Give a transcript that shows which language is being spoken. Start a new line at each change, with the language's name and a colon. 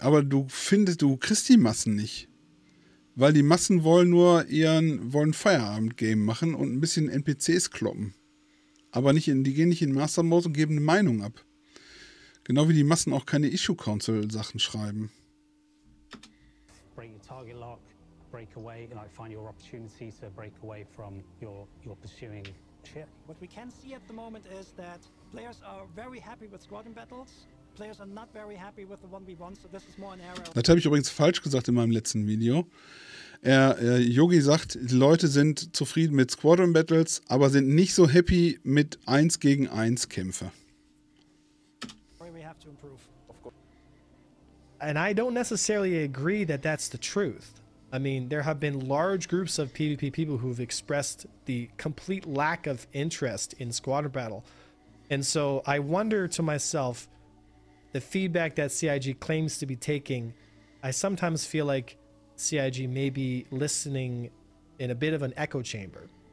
German: Aber du findest, du kriegst die Massen nicht. Weil die Massen wollen nur ihren... wollen Feierabend-Game machen und ein bisschen NPCs kloppen. Aber nicht in, die gehen nicht in Mastermodes und geben eine Meinung ab. Genau wie die Massen auch keine Issue-Council-Sachen schreiben.
English: Break your target lock, break away, and like find your opportunity to break away from your pursuing ship. What we can see at the moment is that players are very happy with squadron battles. Players are not very happy with the 1v1, so this is more an error.
German: Das habe ich übrigens falsch gesagt in meinem letzten Video. Yogi sagt, die Leute sind zufrieden mit Squadron Battles, aber sind nicht so happy mit 1 gegen 1 Kämpfe.
English: We have to improve. And I don't necessarily agree that that's the truth. I mean, there have been large groups of PvP people who've expressed the complete lack of interest in Squadron Battle. And so I wonder to myself, the feedback that CIG claims to be taking, I sometimes feel like CIG may be listening in a bit of an echo chamber.